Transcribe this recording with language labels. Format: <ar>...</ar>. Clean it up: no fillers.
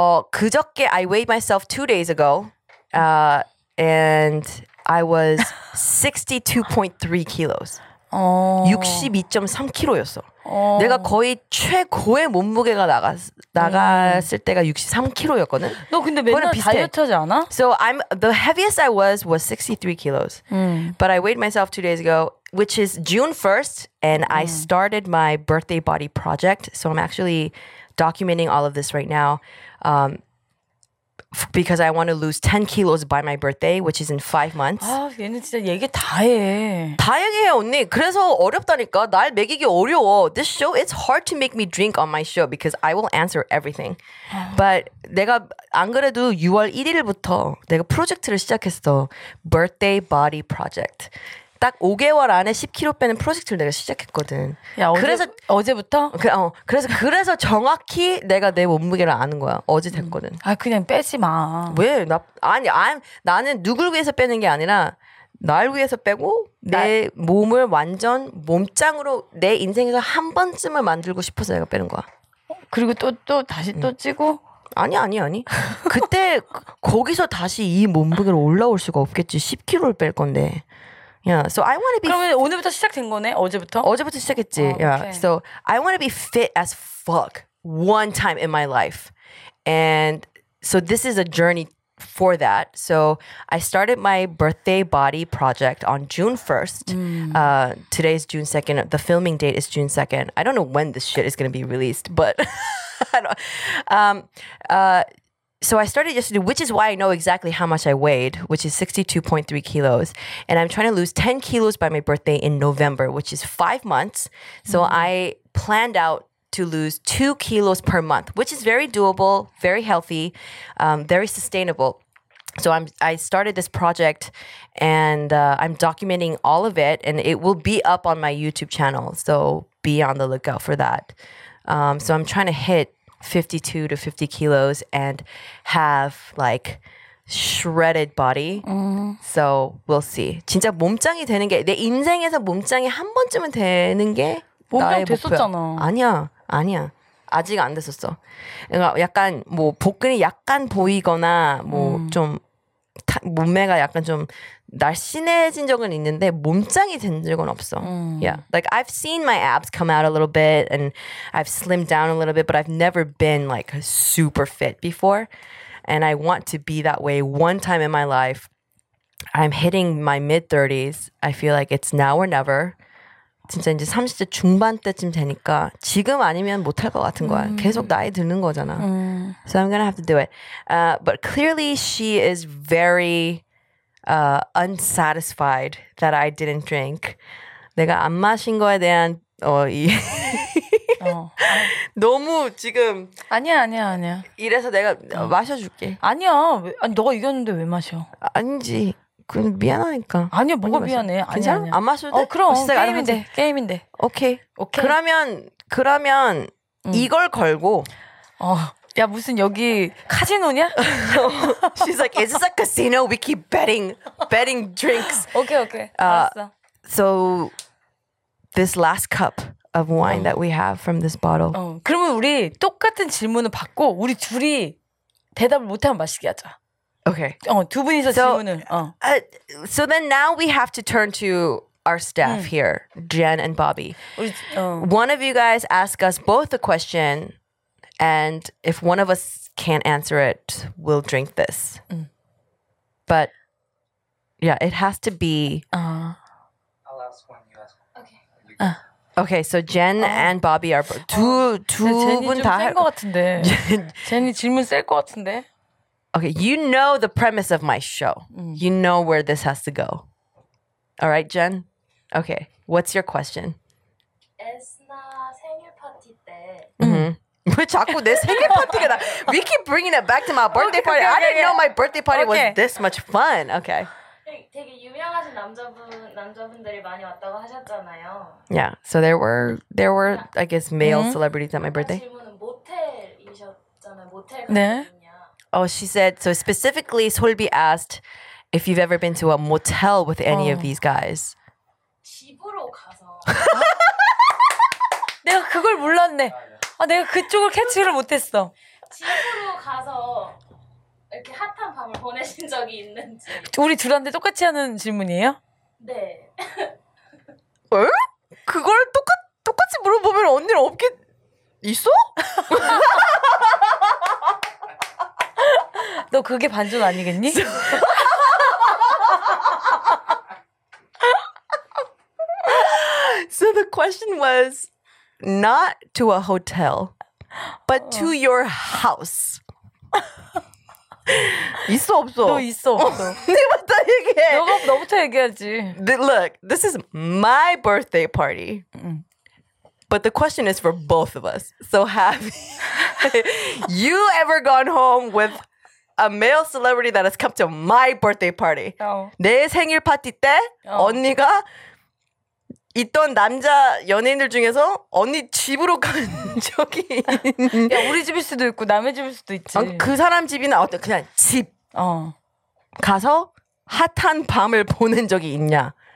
<ko>그저께</ko> <en>I weighed myself 2 days ago and I was 62.3 kilos</en> <ko>62.3kg였어 내가 거의 최고의 몸무게가 나갔을 때가 63kg였거든. 너 근데 맨날 다이어트하지 않아?</ko> <en>So I'm the heaviest I was 63 kilos. But I weighed myself 2 days ago, which is June 1st, and I started my birthday body project. So I'm actually documenting all of this right now, because I want to lose 10 kilos by my birthday, which is in 5 months.</en> <ko>아, 얘는 진짜 얘기 다 해. 다 얘기해, 언니. 그래서 어렵다니까. 날 먹이기 어려워.</ko> <en>This show, it's hard to make me drink on my show because I will answer everything.</en> <ko>But 내가 안 그래도 6월 1일부터 내가 프로젝트를 시작했어.</ko> <en>Birthday Body Project.</en> <ko>딱 5개월 안에 10kg 빼는 프로젝트를 내가 시작했거든. 야, 어제부터? 그래서 정확히 내가 내 몸무게를 아는 거야. 어제 됐거든. 아, 그냥 빼지 마. 왜? 나는 누굴 위해서 빼는 게 아니라 날 위해서 빼고 내 몸을 완전 몸짱으로 내 인생에서 한 번쯤을 만들고 싶어서 내가 빼는 거야. 그리고 또 다시 찌고? 아니. 그때 거기서 다시 이 몸무게로 올라올 수가 없겠지. 10kg를 뺄 건데.</ko> <en>Yeah, so I want to be.</en> <ko>그러면 오늘부터 시작된 거네? 어제부터? 어제부터 시작했지.</ko> <en>Oh, okay. Yeah. So I want to be fit as fuck one time in my life, and so this is a journey for that. So I started my birthday body project on June 1st. Today is June 2nd. The filming date is June 2nd. I don't know when this shit is going to be released, but I don't. So I started yesterday, which is why I know exactly how much I weighed, which is 62.3 kilos. And I'm trying to lose 10 kilos by my birthday in November, which is 5 months. So I planned out to lose 2 kilos per month, which is very doable, very healthy, very sustainable. So I started this project and I'm documenting all of it and it will be up on my YouTube channel. So be on the lookout for that. So I'm trying to hit 52 to 50 kilos and have like shredded body. So we'll see.</en> <ko>진짜 몸짱이 되는 게 내 인생에서 몸짱이 한 번쯤은 되는 게 몸짱 됐었잖아. 아니야. 아직 안 됐었어. 약간 뭐 복근이 약간 보이거나 뭐 좀 몸매가 약간 좀 날씬해진 적은 있는데 몸짱이 된 적은 없어.</ko> <en>Yeah, like I've seen my abs come out a little bit and I've slimmed down a little bit, but I've never been like super fit before. And I want to be that way one time in my life. I'm hitting my mid-30s. I feel like it's now or never.</en> <ko>진짜 이제 30대 중반 때쯤 되니까 지금 아니면 못할 것 같은 거야. 계속 나이 드는 거잖아.</ko> <en>So I'm gonna have to do it. But clearly she is very unsatisfied that I didn't drink.</en> <ko>내가 안 마신 거에 대한 너무 지금 아니야. 이래서 내가 마셔줄게. 아니야. 아니, 너가 이겼는데 왜 마셔? 아니지. 그럼 미안하니까. 아니야, 뭐가 미안해. 괜찮아? 아니야. 안 마셔도 돼? 그럼 게임인데. 게임인데. 오케이. 그러면 이걸 걸고. 야, 무슨 여기 카지노냐?</ko> <en>She's like, is this a casino? We keep betting drinks.</en> <ko>오케이, 오케이. 알았어.</ko> <en>So this last cup of wine that we have from this bottle.</en> <ko>그러면 우리 똑같은 질문을 받고 우리 둘이 대답을 못하면 마시게 하자.</ko> <en>Okay.</en> <ko>두 분이서 질문을.</ko> <en>So then now we have to turn to our staff here, Jen and Bobby. One of you guys ask us both a question, and if one of us can't answer it, we'll drink this. But yeah, it has to be. I'll ask one. You ask one. Okay. Okay, so Jen and Bobby are two</en> <ko>분 다 할 것 같은데. Jen이 질문 셀 것 같은데.</ko> <en>Okay, you know the premise of my show. You know where this has to go. All right, Jen? Okay, what's your question?</en> <ko>eSNa 생일 파티 때. 왜 자꾸 내 생일 파티가 나?</ko> <en>We keep bringing it back to my birthday party. Okay. I didn't know my birthday party was this much fun. Okay.</en> <ko>되게 유명하신 남자분들이 많이 왔다고 하셨잖아요.</ko> <en>Yeah, so there were I guess male celebrities at my birthday.</en> <ko>모텔이셨잖아요. 모텔. 네.</ko> <en>Oh, she said, so specifically, Solbi asked if you've ever been to a motel with any of these guys.</en> <ko>집으로 가서. 내가 그걸 몰랐네. 아, 내가 그쪽을 캐치를 못했어. 집으로 가서 이렇게 핫한 밤을 보내신 적이 있는지. 우리 둘한테 똑같이 하는 질문이에요? 네. 어? 그걸 똑같이 물어보면 언니는 없게 있어? 너 그게 반전 아니겠니?</ko> <en>So the question was not to a hotel, but to your house.</en> <ko>있어 없어? 너 있어 없어? 네부터 얘기해. 너부터 얘기하지.</ko> <en>Look, this is my birthday party. But the question is for both of us. So have you ever gone home with a male celebrity that has come to my birthday party?</en> <ko>내 생일 파티 때 언니가 있던 남자 연예인들 중에서 언니 집으로 간 적이 야, 우리 집일 수도 있고 남의 집일 수도 있지. 그 사람 집이나 어때? 그냥 집 가서 핫한 밤을 보낸 적이 있냐?</ko>